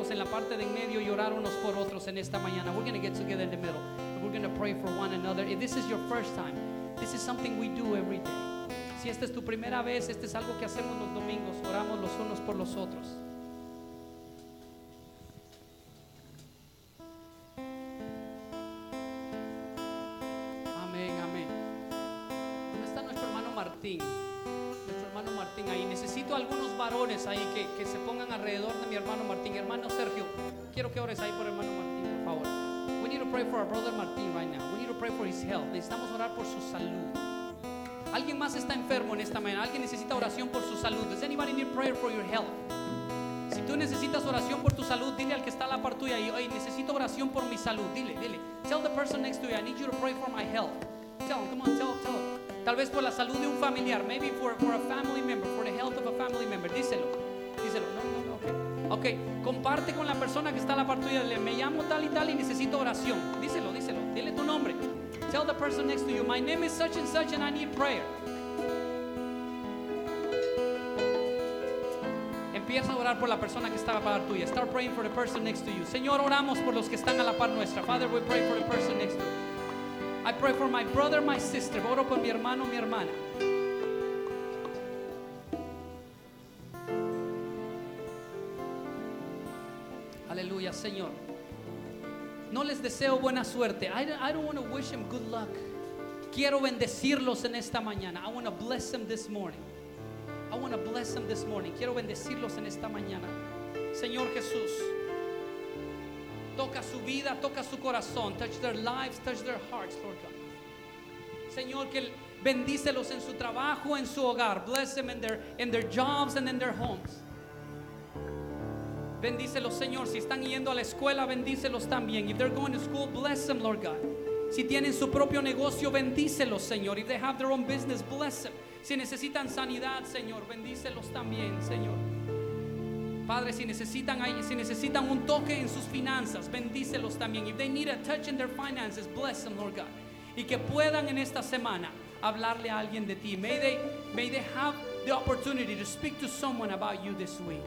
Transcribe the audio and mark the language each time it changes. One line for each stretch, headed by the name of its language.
Spanish: Parte de en medio y orar unos por otros en esta mañana.
English: We're going to get together in the middle and we're going to pray for one another. If this is your first time, this is something we do every day.
Spanish: Si esta es tu primera vez, este es algo que hacemos los domingos, oramos los unos por los otros. Amén, amén. ¿Dónde está nuestro hermano Martín? Nuestro hermano Martín ahí. Necesito algunos varones ahí que se pongan alrededor de mi hermano Martín. Hermano Sergio, quiero que ores ahí por hermano Martín, por favor.
English: We need to pray for our brother Martín right now. We need to pray for his health.
Spanish: Necesitamos orar por su salud. ¿Alguien más está enfermo en esta mañana? ¿Alguien necesita oración por su salud?
English: Does anybody need prayer for your health?
Spanish: Si tú necesitas oración por tu salud, dile al que está a la par tuya ahí, hey, necesito oración por mi salud. Dile, dile.
English: Tell the person next to you, I need you to pray for my health. Tell him, come on, tell him, tell him.
Spanish: Tal vez por la salud de un familiar,
English: maybe for a family member, for the health of a family member.
Spanish: Díselo, díselo. No, no, no, okay. Comparte con la persona que está a la par tuya. Me llamo tal y tal y necesito oración. Díselo, díselo. Dile tu nombre.
English: Tell the person next to you, my name is such and such and I need prayer.
Spanish: Empieza a orar por la persona que está a la par tuya.
English: Start praying for the person next to you.
Spanish: Señor, oramos por los que están a la par nuestra.
English: Father, we pray for the person next to you. I pray for my brother, my sister.
Spanish: Oro por mi hermano, mi hermana. Aleluya, Señor. No les deseo buena suerte.
English: I don't want to wish them good luck.
Spanish: Quiero bendecirlos en esta mañana.
English: I want to bless them this morning. I want to bless them this morning.
Spanish: Quiero bendecirlos en esta mañana. Señor Jesús, toca su vida, toca su corazón.
English: Touch their lives, touch their hearts, Lord God.
Spanish: Señor, que bendícelos en su trabajo, en su hogar.
English: Bless them in their jobs and in their homes.
Spanish: Bendícelos, Señor. Si están yendo a la escuela, bendícelos también.
English: If they're going to school, bless them, Lord God.
Spanish: Si tienen su propio negocio, bendícelos, Señor.
English: If they have their own business, bless them.
Spanish: Si necesitan sanidad, Señor, bendícelos también, Señor. Padre, si necesitan un toque en sus finanzas, bendícelos también.
English: If they need a touch in their finances, bless them, Lord God.
Spanish: Y que puedan en esta semana hablarle a alguien de ti.
English: May they have the opportunity to speak to someone about you this week.